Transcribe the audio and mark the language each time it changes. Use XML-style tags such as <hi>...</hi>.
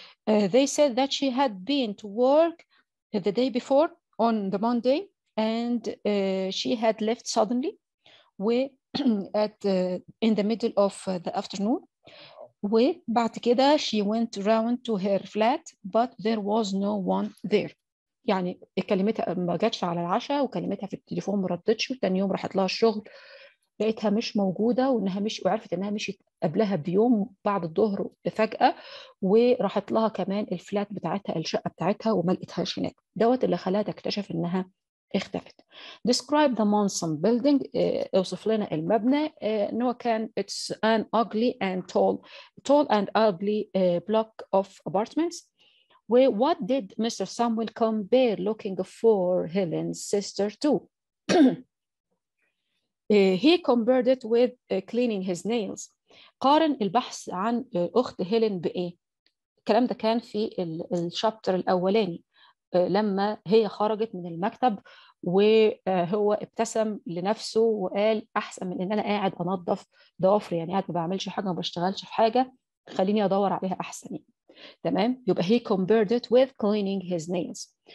<en>They said that she had been to work the day before on the Monday and she had left suddenly in the middle of the afternoon.</en> <ar>وبعد كده</ar> <en>she went around to her flat but there was no one there.</en> <ar>يعني كلمتها ما جاتش على العشاء، وكلمتها في التليفون ما ردتش، وتاني يوم راحت لها الشغل لقيتها مش موجوده، وانها مش وعرفت انها مشيت قبلها بيوم بعد الظهر فجاه، وراحت لها كمان الفلات بتاعتها الشقه بتاعتها وما لقيتهاش هناك. دوت اللي خلاها تكتشف انها اختفت.</ar> <en>Describe the Monson building.</en> <ar>اوصف لنا المبنى.</ar> <en>No كان it's an ugly and tall and ugly block of apartments. What did Mr. Samuel compare looking for Helen's sister to? he compared it with cleaning his nails.</en> <ar>قارن البحث عن أخت هيلين بإيه؟ الكلام ده كان في الشابتر الأولاني لما هي خرجت من المكتب وهو ابتسم لنفسه وقال أحسن من إن أنا قاعد أنظف ضوافري، يعني قاعد ما بعملش حاجة ما بشتغلش في حاجة، خليني أدور عليها أحسن. تمام، يبقى</ar> <en>he compared it with cleaning his nails.</en>